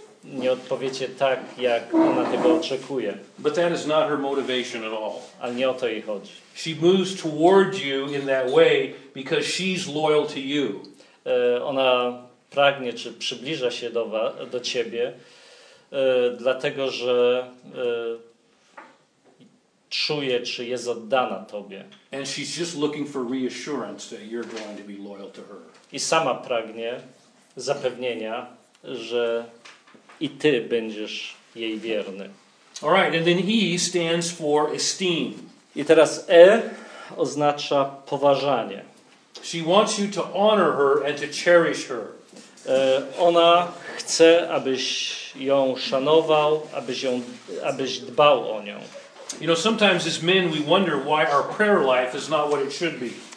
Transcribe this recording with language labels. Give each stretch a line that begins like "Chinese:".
Polish: Nie odpowiecie tak, jak ona tego oczekuje.
English: But that is not her motivation at all.
Polish: Ale nie o to jej chodzi.
English: She moves toward you in that way because she's loyal to you.
Polish: Ona pragnie, czy przybliża się do ciebie, dlatego, że czuje, czy jest oddana tobie.
English: And she's just looking for reassurance that you're going to be loyal to her.
Polish: I sama pragnie zapewnienia, że i ty będziesz jej wierny.
English: All right, and then E stands for esteem.
Polish: I teraz E oznacza poważanie.
English: She wants you to honor her and to cherish her.
Polish: Ona chce, abyś ją szanował, abyś dbał o nią.
English: You know, sometimes as men we wonder why our prayer life is not what it should be.